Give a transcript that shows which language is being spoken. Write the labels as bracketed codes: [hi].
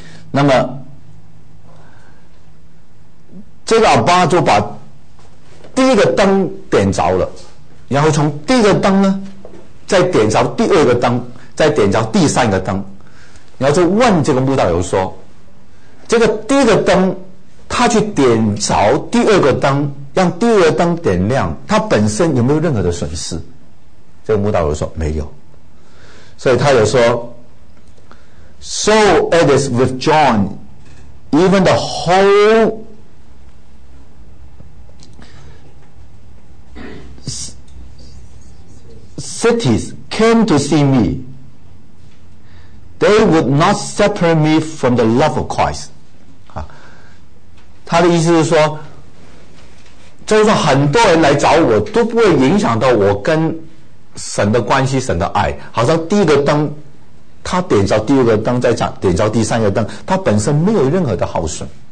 [zh] 那么这个阿爸就把第一个灯点着了，然后从第一个灯呢再点着第二个灯，再点着第三个灯，然后就问这个穆道友说，这个第一个灯他去点着第二个灯，让第二个灯点亮，他本身有没有任何的损失？这个穆道友说没有。所以他有说 [en] So it is with John， Even the whole cities came to see me，They would not separate me from the love of Christ。 [zh] 他的意思是说，就是很多人来找我都不会影响到我跟神的关系，神的爱。好像第一个灯他点着第二个灯，再点着第三个灯，他本身没有任何的耗损。